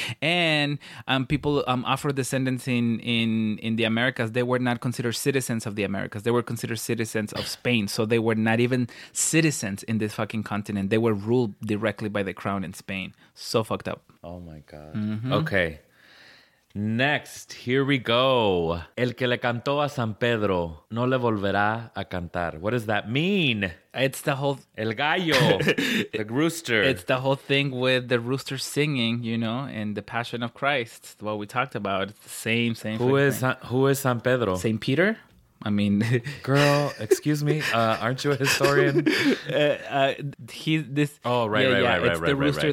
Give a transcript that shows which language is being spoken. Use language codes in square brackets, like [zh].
[en] And people, Afro descendants in the Americas, they were not considered citizens of the Americas. They were considered citizens of Spain. So they were not even citizens in this fucking continent. They were ruled directly by the crown in Spain. So fucked up. Oh my God. Mm-hmm. Okay. Next, here we go. [es] El que le cantó a San Pedro no le volverá a cantar. [en] What does that mean? It's the whole... [es] El gallo, [en] the rooster. It's the whole thing with the rooster singing, you know, and the Passion of Christ, what we talked about. It's the same Who is San Pedro? Saint Peter? I mean... Girl, excuse me, aren't you a historian? It's the rooster.